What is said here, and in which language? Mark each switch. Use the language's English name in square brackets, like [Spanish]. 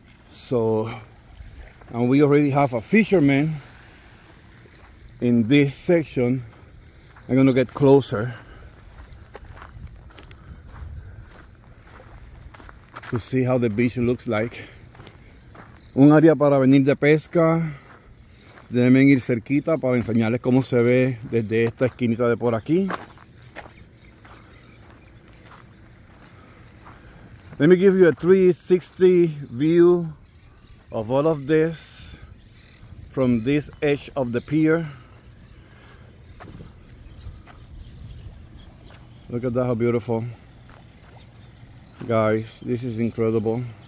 [English] So, and we already have a fisherman in this section. I'm gonna get closer to see how the beach looks like. [Spanish] Un área para venir de pesca. Deben ir cerquita para enseñarles cómo se ve desde esta esquinita de por aquí. [English] Let me give you a 360 view of all of this from this edge of the pier. Look at that, how beautiful. Guys, this is incredible.